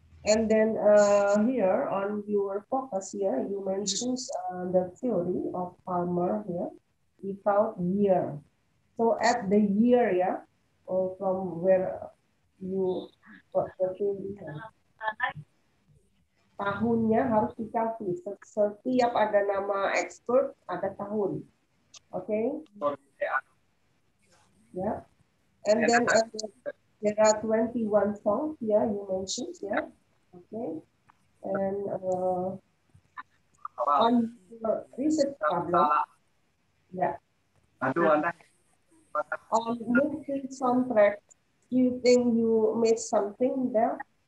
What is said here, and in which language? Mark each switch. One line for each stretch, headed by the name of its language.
English: And then here on your focus here, you mentioned the theory of Palmer here without year. So at the year, yeah, or from where you got the theory?
Indonesian: Tahunnya harus dicari. Setiap ada nama expert, ada tahun.
English: Okay? Yeah. And then... there are 21 songs, yeah, you mentioned, yeah, okay, and on your research problem, yeah, on movie soundtrack, do you think you made something there?